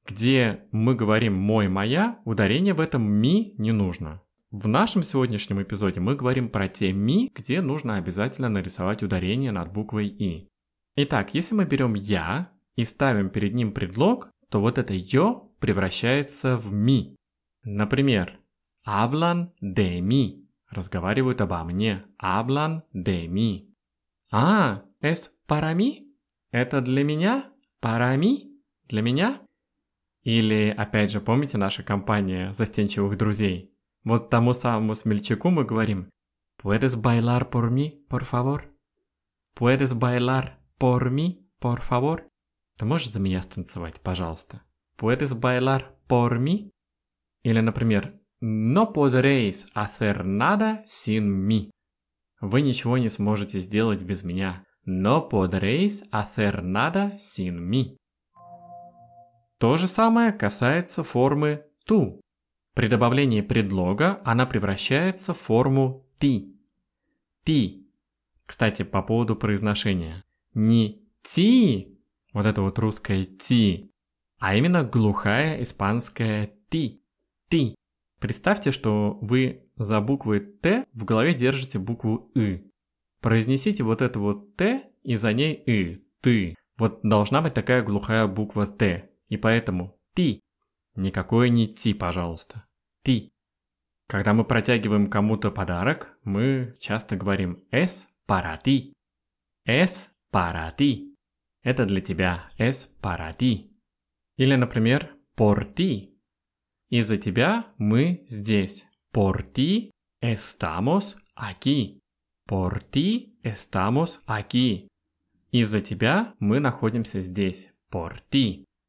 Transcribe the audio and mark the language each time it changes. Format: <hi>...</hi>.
<ru>Где мы говорим «мой, моя», ударение в этом «mi» не нужно. В нашем сегодняшнем эпизоде мы говорим про те «mi», где нужно обязательно нарисовать ударение над буквой «i». Итак, если мы берем «я» и ставим перед ним предлог, то вот это «yo» превращается в «mi». Например,</ru> <es>«hablan de mí».</es> <ru>Разговаривают обо мне.</ru> <es>«Hablan de mí».</es> <ru>«А,</ru> <es>es para mí?»</es> <ru>«Это для меня?»</ru> <es>«Para mí?»</es> <ru>«Для меня?» Или, опять же, помните наша компания застенчивых друзей? Вот тому самому смельчаку мы говорим</ru> <es>«Puedes bailar por mí, por favor?» «Puedes bailar por mí, por favor?»</es> <ru>Ты можешь за меня станцевать, пожалуйста?</ru> <es>Puedes bailar por mí?</es> <ru>Или, например,</ru> <es>No podréis hacer nada sin mí.</es> <ru>Вы ничего не сможете сделать без меня.</ru> <es>No podréis hacer nada sin mí.</es> <ru>То же самое касается формы tú. При добавлении предлога она превращается в форму ti.</ru> <es>Ti.</es> <ru>Кстати, по поводу произношения. Не ti. Вот это вот русское «ти», а именно глухая испанская «ти». «Ти». Представьте, что вы за буквой «т» в голове держите букву «ы». Произнесите вот это вот «т» и за ней «ы». «Ты». Вот должна быть такая глухая буква «т». И поэтому «ти». Никакое не «ти», пожалуйста. «Ти». Когда мы протягиваем кому-то подарок, мы часто говорим</ru> <es>«es para ti». «Es para ti».</es> <ru>Это для тебя.</ru> <es>Es para ti.</es> <ru>Или, например,</ru> <es>por ti.</es> <ru>Из-за тебя мы здесь.</ru> <es>Por ti estamos aquí. Por ti estamos aquí.</es> <ru>Из-за тебя мы находимся здесь.</ru> <es>Por ti.</es>